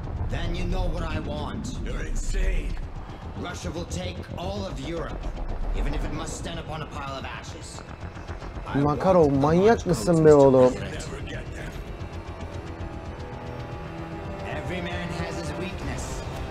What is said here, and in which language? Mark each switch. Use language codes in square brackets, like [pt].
[en] Then you know what I want. You're insane. Russia will take all of Europe, even if it must stand upon a pile of ashes. [tr] Makarov, manyak mısın be oğlum? [en] Every man has his weakness.